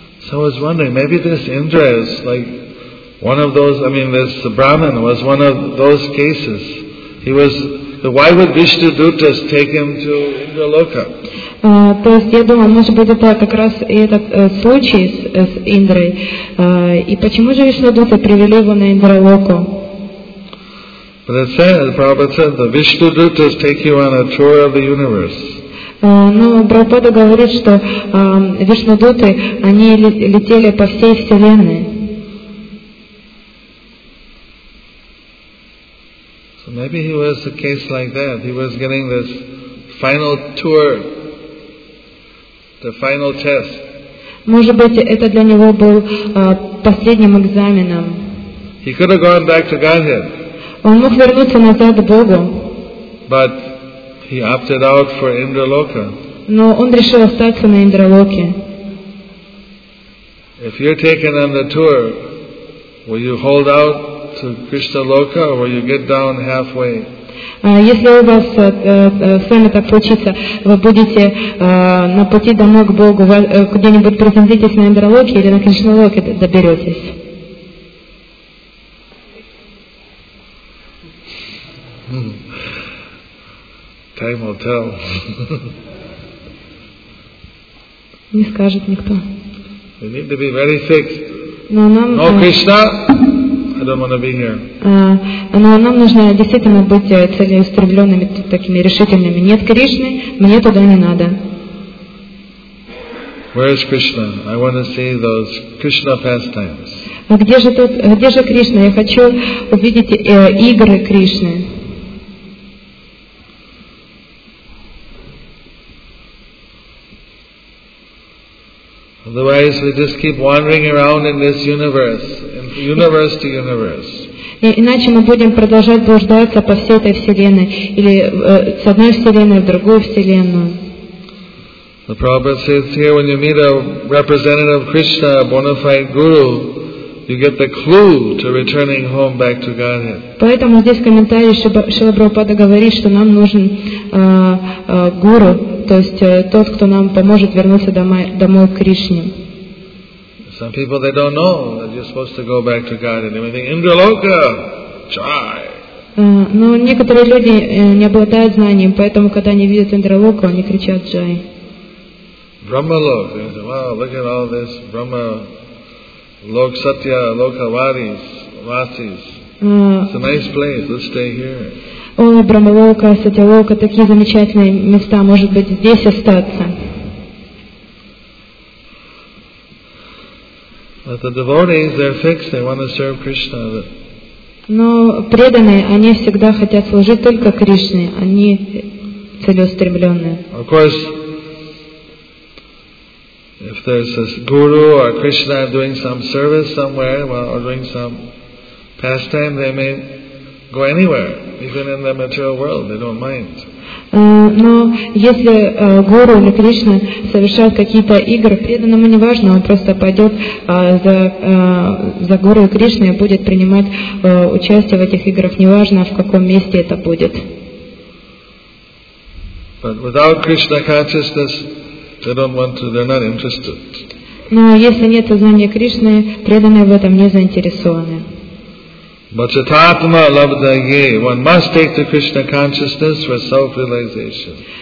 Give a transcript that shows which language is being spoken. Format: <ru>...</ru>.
<en>So I was wondering, maybe this Indra is like one of those, I mean this Brahman was one of those cases. He was, why would Vishnudutas take him to Indraloka?</en> <ru>То есть я думаю, может быть это как раз и этот случай с Индрой. И почему же Вишнудута привели его на Индралоку?</ru> <en>But it says, Prabhupada said, the Vishnudutas take you on a tour of the universe.</en> <ru>Но Прабхупада говорит, что Вишнудуты, они летели по всей Вселенной.</ru> <en>So maybe he was a case like that. He was getting this final tour, the final test.</en> <ru>Может быть, это для него был последним экзаменом.</ru> <en>He could have gone back to Godhead.</en> <ru>Он мог вернуться назад к Богу.</ru> <en>But he opted out for Indraloka.</en> <ru>Но он решил остаться на Индралоке.</ru> <en>If you're taken on the tour, will you hold out to Krishna Loka or will you get down halfway?</en> <ru>Если у вас с вами так случится, вы будете на пути домой к Богу, где-нибудь приземлитесь на Индралоке или на Кришна Локе доберетесь?</ru> <en>Time will tell.</en> <ru>Не скажет никто.</ru> <en>We need to be very fixed.</en> <ru>Но нам,</ru> <en>no, Krishna, I don't want to be here.</en> <ru>Но нам нужно действительно быть целеустремленными, такими решительными. Нет Кришны, мне туда не надо.</ru> <en>Where is Krishna? I want to see those Krishna pastimes.</en> <ru>Где же Кришна? Я хочу увидеть игры Кришны.</ru> <en>Otherwise, we just keep wandering around in this universe, universe to universe.</en> <ru>Иначе мы будем продолжать блуждаться по всей этой вселенной или с одной вселенной в другую вселенную.</ru> <en>The Prabhupada says here, when you meet a representative of Krishna, a bona fide guru, you get the clue to returning home back to Godhead.</en> <ru>Поэтому здесь в комментарии Шрила Прабхупада говорит, что нам нужен гуру. То есть тот, кто нам поможет вернуться домой к Кришне.</ru> <en>Some people they don't know that you're supposed to go back to God and everything. Indraloka, try.</en> <ru>Но некоторые люди не обладают знанием, поэтому когда они видят Индралоку, они кричат джай.</ru> <en>Brahmalok, they say, wow, look at all this Brahma, Lok Satya, Lokavaris, Vasis. It's a nice place. Let's stay here.</en> <ru>О, Брамалока, Сатялока, такие замечательные места, может быть, здесь остаться.</ru> <en>But the devotees, they're fixed, they want to serve Krishna.</en> <ru>Но преданные, они всегда хотят служить только Кришне, они целеустремленные.</ru> <en>Of course, if there's a guru or Krishna doing some service somewhere, or doing some pastime, they may go anywhere. Even in the material world, they don't mind.</en> <ru>Но если гуру или Кришна совершает какие-то игры, преданному не важно, он просто пойдет за гуру и Кришной и будет принимать участие в этих играх, не важно в каком месте это будет.</ru> <en>But without Krishna consciousness, they don't want to. They're not interested.</en> <ru>Но если нет сознания Кришны, преданные в этом не заинтересованы.</ru> <sa>Bhajatatma labdhaye.</sa> <en>One must take to Krishna consciousness for self-realization.</en>